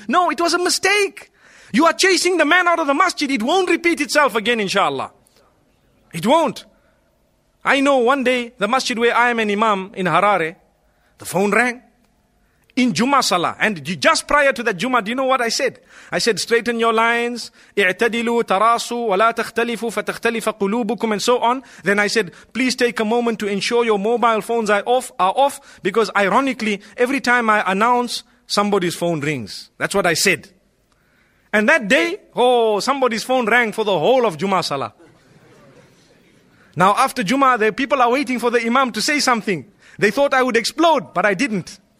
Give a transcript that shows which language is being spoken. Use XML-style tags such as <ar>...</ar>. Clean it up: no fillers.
<en>No, it was a mistake. You are chasing the man out of the masjid. It won't repeat itself again, inshallah. It won't. I know one day, the masjid where I am an imam in Harare, the phone rang in Jummah salah. And just prior to that Jummah, do you know what I said? I said, straighten your lines.</en> <ar>اعتدلوا تراسوا ولا تختلفوا فتختلف قلوبكم</ar> <en>and so on. Then I said, please take a moment to ensure your mobile phones are off. Because ironically, every time I announce, somebody's phone rings. That's what I said. And that day, oh, somebody's phone rang for the whole of Jummah salah. Now after Jummah, the people are waiting for the imam to say something. They thought I would explode, but I didn't.</en>